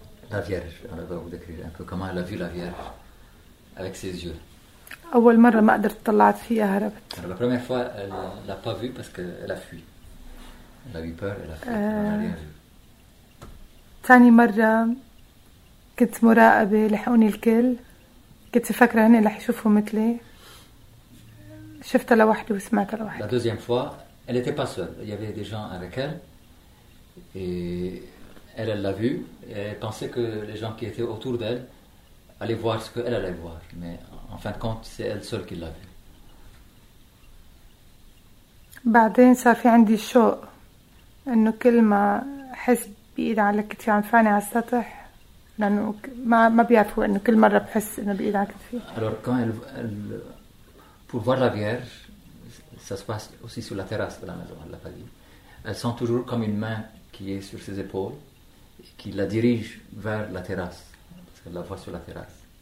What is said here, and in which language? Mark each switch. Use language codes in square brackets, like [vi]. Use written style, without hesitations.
[fr] La Vierge, on va vous décrire un peu comment elle a vu la Vierge avec ses yeux. [ar] أول مرة ما قدرت طلعت فيها هربت. [fr] La première fois, elle l'a pas vu parce qu'elle a fui. Elle a eu peur, elle a fui. [ar] ثاني مرة كنت مراقبة لحقوني الكل. كنت فاكرة هني رح يشوفوا مثلي. شفتها لوحدي وسمعتها لوحدي. [fr] La deuxième fois, elle était pas seule. Il y avait des gens avec elle. Et elle, elle l'a vu. Elle pensait que les gens qui étaient autour d'elle allaient voir ce qu'elle allait voir. Mais en fin de compte, c'est elle seule qui l'a vu. [ar] بعدين صار في عندي شوق انه كل ما احس بايدي على كتفي عم فاني على السطح لانه ما بيعرفوا انه كل مره بحس انه بايدي على كتفي. [fr] Alors quand elle pour voir la Vierge, ça se passe aussi sur la terrasse de la maison, elle l'a pas dit. Elle sent toujours comme une main qui est sur ses épaules et qui la dirige vers la terrasse. Elle la voit sur la terrasse.